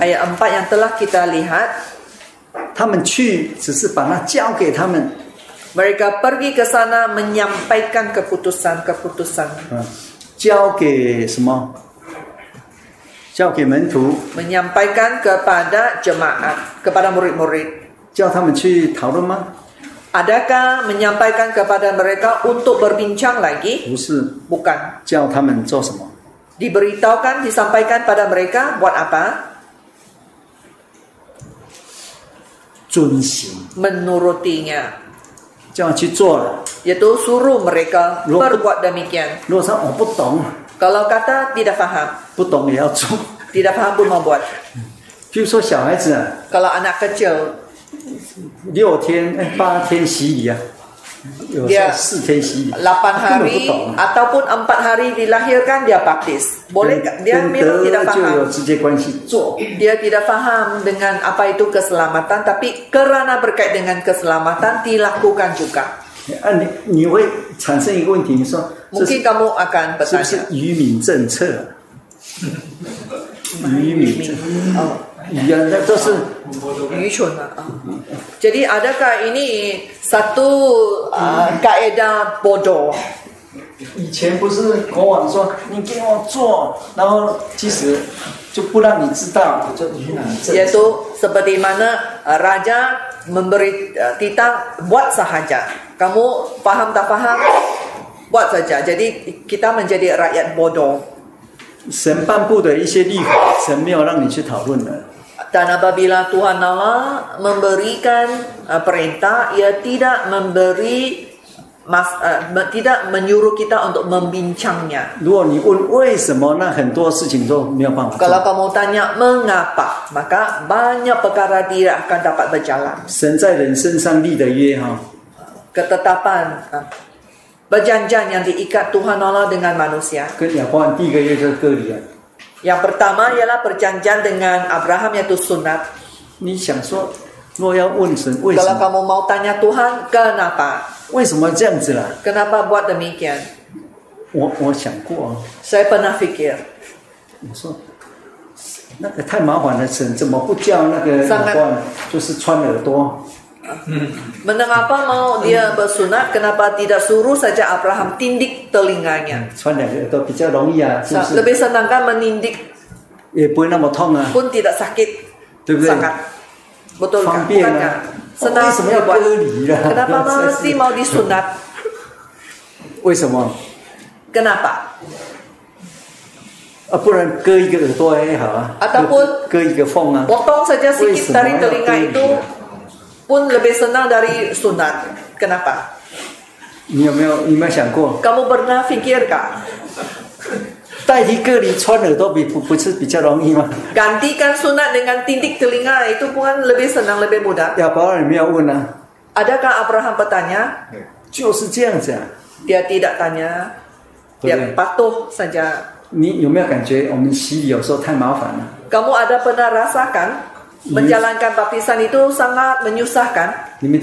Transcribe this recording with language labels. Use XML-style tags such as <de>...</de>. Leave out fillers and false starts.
<ms>Ayat 4 yang telah kita lihat.</ms> <zh>他们去只是把它交给他们。</zh> <ms>Mereka pergi ke sana menyampaikan keputusan-keputusan.</ms> <zh>交给什么？交给门徒。</zh> <ms>Menyampaikan kepada jemaat, kepada murid-murid.</ms> <zh>叫他们去讨论吗？</zh> <ms>Adakah menyampaikan kepada mereka untuk berbincang lagi?</ms> <zh>不是。</zh> <ms>Bukan.</ms> <zh>叫他们做什么？</zh> <ms>Diberitahukan, disampaikan pada mereka buat apa?</ms> <zh>遵行。</zh> <ms>Menurutinya.</ms> <zh>叫他去做了，也都</zh> <ms>suruh mereka berbuat demikian。</ms> <zh>如果说我不懂，</zh> <ms>kalau kata tidak faham，</ms> <zh>不懂也要做，</zh> <ms>tidak faham pun mau buat。</ms> <zh>比如说小孩子啊，</zh> <ms>kalau anak kecil，</ms> <zh>六天哎八天洗礼啊，有时候四天洗礼，</zh> <ms>8 hari ataupun 4 hari dilahirkan dia baptis， boleh dia memang tidak faham，</ms> <zh>跟德就有直接关系，做，</zh> <ms>dia tidak faham dengan apa itu keselamatan， tapi kerana berkait dengan keselamatan dilakukan juga。</ms> <zh>啊，你会产生一个问题，你说，</zh> <ms>mungkin kamu akan bertanya，</ms> <zh>是不是渔民政策？渔民政策。</zh> <ms>Ya, itu sahaja. Yuchun lah. Jadi adakah ini satu kaedah bodoh?</ms> <zh>以前不是国王说你给我做，然后其实就不让你知道，就渔民政策。</zh> <ms>Yaitu seperti mana raja memberi titah buat sahaja. Kamu faham tak faham? Buat saja. Jadi kita menjadi rakyat bodoh.</ms> <zh>神颁布的一些律法，神没有让你去讨论的。</zh> <ms>Dan apabila Tuhan Allah memberikan perintah, ia tidak memberi mas, tidak menyuruh kita untuk membincangnya.</ms> <zh>如果你问为什么，那很多事情都没有办法做。</zh> <ms>Kalau kamu tanya mengapa, maka banyak perkara tidak akan dapat berjalan.</ms> <zh>神在人身上立的约哈。</zh> <ms>Ketetapan, perjanjian yang diikat Tuhan Allah dengan manusia.</ms> <zh>跟亚伯拉罕第一个约就是割礼啊。</zh> <ms>Yang pertama ialah perjanjian dengan Abraham yaitu sunat.</ms> <zh>你想说，若要问神为什么？</zh> <ms>Kalau kamu mau tanya Tuhan kenapa?</ms> <zh>为什么这样子了？</zh> <ms>Kenapa buat demikian?</ms> <zh>我想过。</zh> <ms>Saya pernah fikir.</ms> <zh>我说，那个太麻烦了，神怎么不叫那个亚伯拉罕就是穿耳朵？</zh> <ms>Mengapa mau dia bersunat? Kenapa tidak suruh saja Abraham tindik telinganya? Lebih senang kan menindik? Pun tidak sakit. Sangat. Betul kan? Senang dia buat. Kenapa mesti mau disunat? Kenapa?</ms> <zh>啊、不然割一个耳朵也好啊。</zh> <ms>Ataupun,</ms> <zh>割一个缝啊。</zh> <ms>Potong saja sikit dari telinga itu. Pun lebih senang dari sunat. Kenapa?</ms> <zh>你有没有你有没有想过？</zh> <ms>Kamu pernah fikir kah?</ms> <zh>代替割礼穿耳朵比不不是比较容易吗？</zh> <ms>Gantikan sunat dengan tindik telinga itu pun lebih senang lebih mudah.</ms> <zh>Ya, Abraham 没有问啊。</zh> <ms>Adakah Abraham bertanya?</ms> <zh>就是这样子啊。</zh> <ms>Dia tidak tanya. Dia patuh saja.</ms> <zh>你有没有感觉我们洗礼有时候太麻烦了？</zh> <ms>Kamu ada pernah rasakan? Menjalankan baptisan itu sangat menyusahkan.</ms>